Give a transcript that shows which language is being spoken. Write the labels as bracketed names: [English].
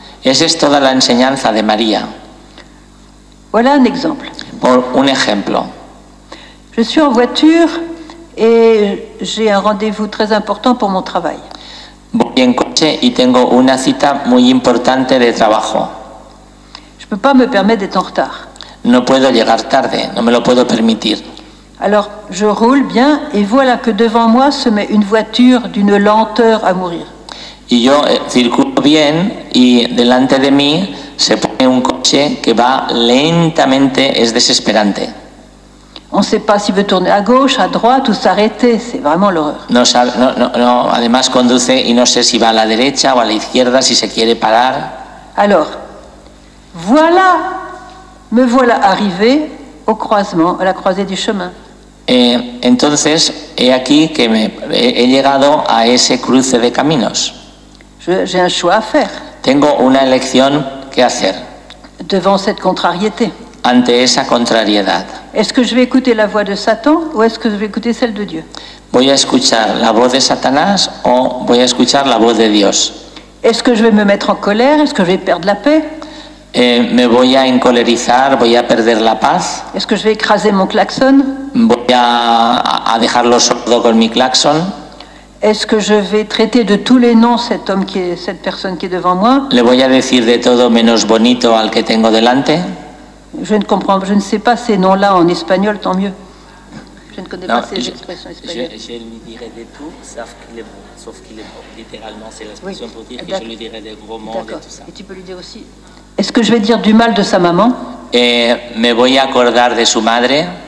[Spanish] Esa es toda la enseñanza de María. [French] Voilà un exemple. [Spanish] Por un ejemplo. [French] Je suis en voiture et j'ai un rendez-vous très important pour mon travail. [Spanish] Voy en coche y tengo una cita muy importante de trabajo. [French] Je peux pas me permettre d'être en retard. [Spanish] No puedo llegar tarde, no me lo puedo permitir. [French] Alors, je roule bien et voilà que devant moi se met une voiture d'une lenteur à mourir. [Spanish] Y yo circulo bien y delante de mí se pone un coche que va lentamente, es desesperante. [French] On sait pas si veut tourner à gauche, à droite ou s'arrêter, c'est vraiment l'horreur. [Spanish] Además conduce y no sé si va a la derecha o a la izquierda, si se quiere parar. [French] Alors, voilà, me voilà arrivé au croisement, à la croisée du chemin. [Spanish] Entonces, he aquí que me, he llegado a ese cruce de caminos. [French] J'ai un choix à faire. [Spanish] Tengo una elección que hacer. [French] Devant cette contrariété. [Spanish] Ante esa contrariedad. [French] Est-ce que je vais écouter la voix de Satan ou est-ce que je vais écouter celle de Dieu? [Spanish] ¿Voy a escuchar la voz de Satanás o voy a escuchar la voz de Dios? [French] Est-ce que je vais me mettre en colère? Est-ce que je vais perdre la paix? [Spanish] Me voy a encolerizar, voy a perder la paz. [French] Est-ce que je vais écraser mon klaxon? [Spanish] Voy a dejarlo sordo con mi klaxon. [French] Est-ce que je vais traiter de tous les noms cet homme qui est, cette personne qui est devant moi? [Spanish] Le voy a decir de todo menos bonito al que tengo delante. [French] Je ne comprends, je ne sais pas ces noms-là en espagnol, tant mieux. Je ne connais non, pas ces expressions espagnoles. Je lui dirai de tout, sauf qu'il est bon. Sauf qu'il est bon. Littéralement, c'est l'expression pour dire que je lui dirai des gros mots d'accord. Et tout ça. Et tu peux lui dire aussi, est-ce que je vais dire du mal de sa maman? [Spanish] Me voy a acordar de su madre.